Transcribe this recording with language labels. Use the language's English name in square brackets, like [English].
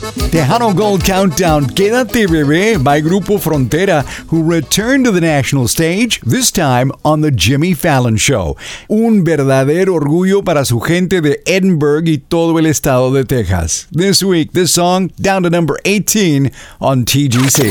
[English] Tejano Gold Countdown, Quédate Bebé by Grupo Frontera, who returned to the national stage, this time on the Jimmy Fallon Show. [Spanish] Un verdadero orgullo para su gente de Edinburgh y todo el estado de Texas. [English] This week, this song, down to number 18 on TGC.